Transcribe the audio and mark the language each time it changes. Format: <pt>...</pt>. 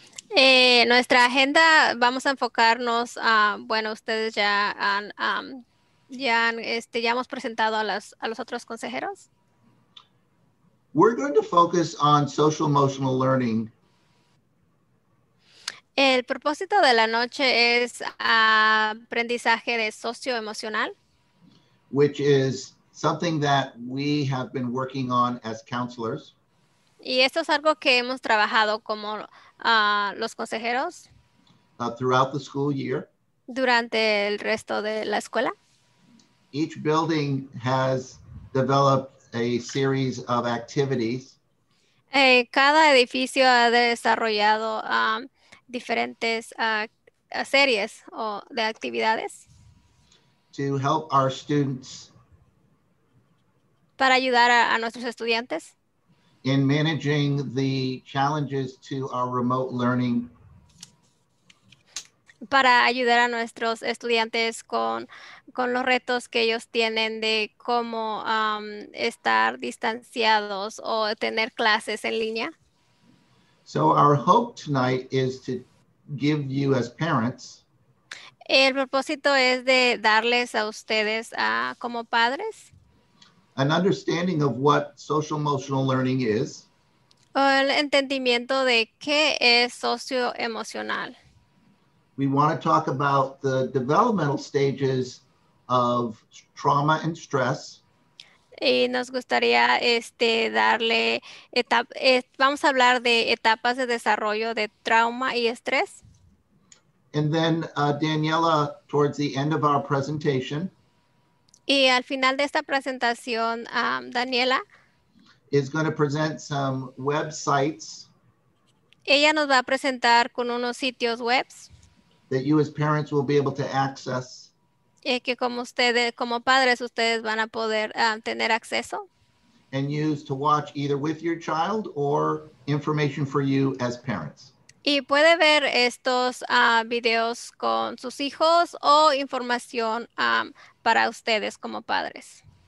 <es>Nuestra agenda, vamos a enfocarnos, bueno, ustedes ya han, ya hemos presentado a los otros consejeros.</es> <en>We're going to focus on social-emotional learning.</en> <es>El propósito de la noche es aprendizaje de socioemocional.</es> <en>Which is something that we have been working on as counselors.</en> <es>Y esto es algo que hemos trabajado como los consejeros</es> <en>Throughout the school year.</en> <es>durante el resto de la escuela?</es> <en>Each building has developed a series of activities.</en> <es>Cada edificio ha desarrollado diferentes series o de actividades.</es> <en>To help our students.</en> <es>Para ayudar a nuestros estudiantes.</es> <en>In managing the challenges to our remote learning.</en> <es>Para ayudar a nuestros estudiantes con los retos que ellos tienen de cómo estar distanciados o tener clases en línea.</es> <en>So our hope tonight is to give you as parents.</en> <es>El propósito es de darles a ustedes como padres.</es> <en>An understanding of what social emotional learning is.</en> <es>El entendimiento de qué es socio emocional.</es> <en>We want to talk about the developmental stages of trauma and stress.</en> <es>Y nos gustaría darle vamos a hablar de etapas de desarrollo de trauma y estrés.</es> <en>And then Daniela, towards the end of our presentation.</en> <es>Y al final de esta presentación, Daniela</es> <en>is going to present some websites.</en> <es>Ella nos va a presentar con unos sitios webs</es> <en>that you as parents will be able to access.</en> <es>Y que como ustedes, como padres, ustedes van a poder tener acceso.</es> <en>And use to watch either with your child or information for you as parents.</en> <es>Y puede ver estos videos con sus hijos o información para ustedes como padres.</es>